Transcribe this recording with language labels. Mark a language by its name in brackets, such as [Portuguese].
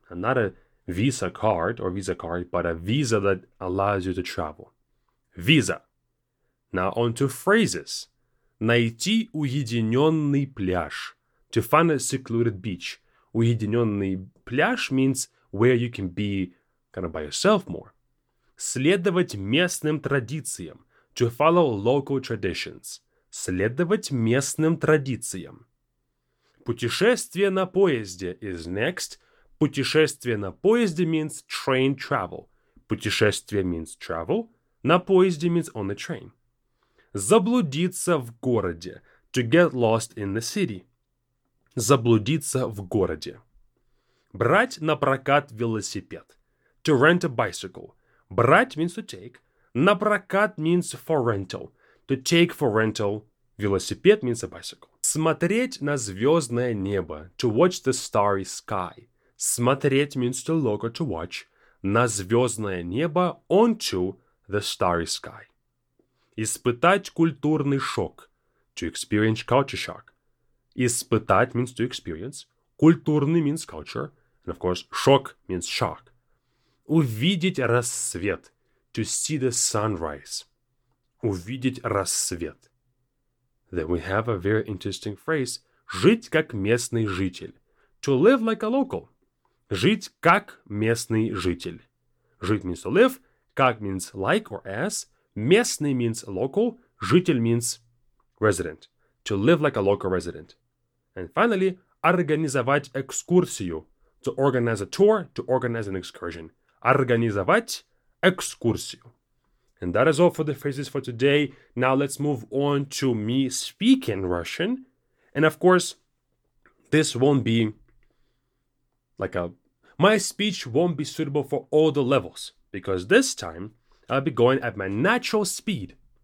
[English] Not a visa card or visa card, but a visa that allows you to travel. Виза. Now, on to phrases. [Russian] Найти уединенный пляж. [English] To find a secluded beach. [Russian] Уединенный пляж [English] means where you can be kind of by yourself more. [Russian] Следовать местным традициям. [English] To follow local traditions. [Russian] Следовать местным традициям. Путешествие на поезде [English] is next. [Russian] Путешествие на поезде [English] means train travel. Путешествие means travel. [Russian] На поезде [English] means on the train. [Russian] Заблудиться в городе. [English] To get lost in the city. [Russian] Заблудиться в городе. Брать на прокат велосипед. [English] To rent a bicycle. Брать means to take. [Russian] На прокат [English] means for rental. To take for rental. Велосипед means a bicycle. [Russian] Смотреть на звездное небо. [English] To watch the starry sky. Смотреть means to look or to watch. [Russian] На звездное небо. [English] Onto the starry sky. [Russian] Испытать культурный шок. [English] To experience culture shock. Испытать means to experience. Культурный means culture. And of course, шок means shock. [Russian] Увидеть рассвет. [English] To see the sunrise. [Russian] Увидеть рассвет. [English] Then we have a very interesting phrase. [Russian] Жить как местный житель. [English] To live like a local. [Russian] Жить как местный житель. [English] Жить means to live. Как means like or as. Местный means local, житель means resident, to live like a local resident. And finally, [Russian] организовать экскурсию, [English] to organize a tour, to organize an excursion. [Russian] Организовать экскурсию. [English] And that is all for the phrases for today. Now let's move on to me speaking Russian. And of course, this won't be my speech won't be suitable for all the levels, because this time, I'll be going at my natural speed.